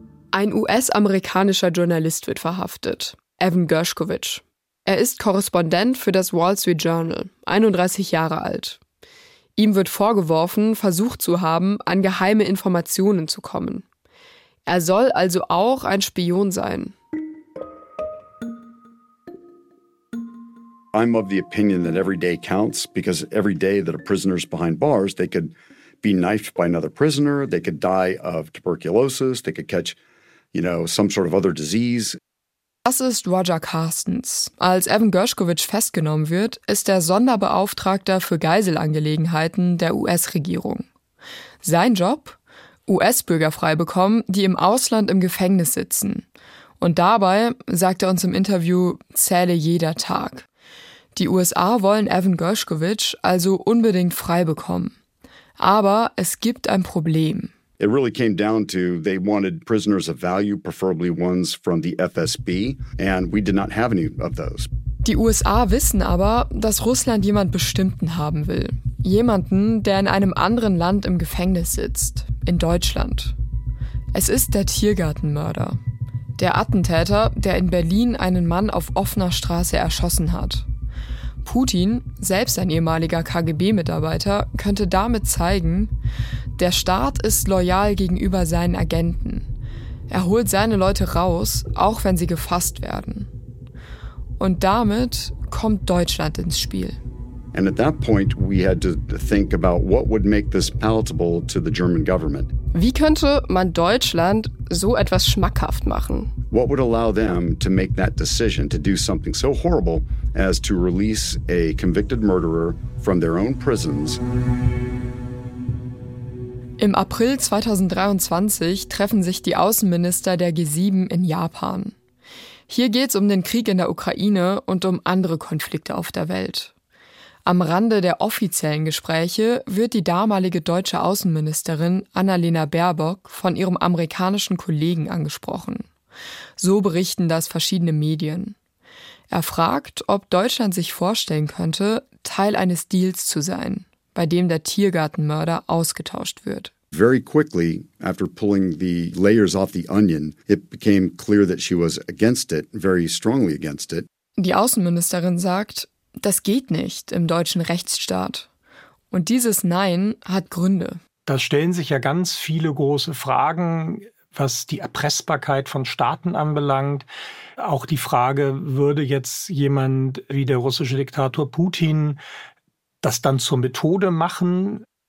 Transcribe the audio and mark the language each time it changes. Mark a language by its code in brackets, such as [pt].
[de] Ein US-amerikanischer Journalist wird verhaftet, Evan Gershkovich. Er ist Korrespondent für das Wall Street Journal, 31 Jahre alt. Ihm wird vorgeworfen, versucht zu haben, an geheime Informationen zu kommen. Er soll also auch ein Spion sein. [en] I'm of the opinion that every day counts, because every day that a prisoner's behind bars, they could be knifed by another prisoner, they could die of tuberculosis, they could catch, you know, some sort of other disease. [de] Das ist Roger Carstens. Als Evan Gershkovich festgenommen wird, ist er Sonderbeauftragter für Geiselangelegenheiten der US-Regierung. Sein Job? US-Bürger freibekommen, die im Ausland im Gefängnis sitzen. Und dabei, sagt er uns im Interview, zähle jeder Tag. Die USA wollen Evan Gershkovich also unbedingt freibekommen. Aber es gibt ein Problem. [en] It really came down to they wanted prisoners of value, preferably ones from the FSB, and we did not have any of those. [de] Die USA wissen aber, dass Russland jemand Bestimmten haben will. Jemanden, der in einem anderen Land im Gefängnis sitzt, in Deutschland. Es ist der Tiergartenmörder. Der Attentäter, der in Berlin einen Mann auf offener Straße erschossen hat. Putin, selbst ein ehemaliger KGB-Mitarbeiter, könnte damit zeigen, der Staat ist loyal gegenüber seinen Agenten. Er holt seine Leute raus, auch wenn sie gefasst werden. Und damit kommt Deutschland ins Spiel. [en] And at that point we had to think about what would make this palatable to the German government. [de] Wie könnte man Deutschland so etwas schmackhaft machen? [en] What would allow them to make that decision to do something so horrible as to release a convicted murderer from their own prisons? [de] Im April 2023 treffen sich die Außenminister der G7 in Japan. Hier geht's um den Krieg in der Ukraine und um andere Konflikte auf der Welt. Am Rande der offiziellen Gespräche wird die damalige deutsche Außenministerin Annalena Baerbock von ihrem amerikanischen Kollegen angesprochen. So berichten das verschiedene Medien. Er fragt, ob Deutschland sich vorstellen könnte, Teil eines Deals zu sein, bei dem der Tiergartenmörder ausgetauscht wird. [en] Very quickly, after pulling the layers off the onion, it became clear that she was against it, very strongly against it. [de] Die Außenministerin sagt, das geht nicht im deutschen Rechtsstaat. Und dieses Nein hat Gründe. Da stellen sich ja ganz viele große Fragen, was die Erpressbarkeit von Staaten anbelangt. Auch die Frage, würde jetzt jemand wie der russische Diktator Putin das dann zur Methode machen?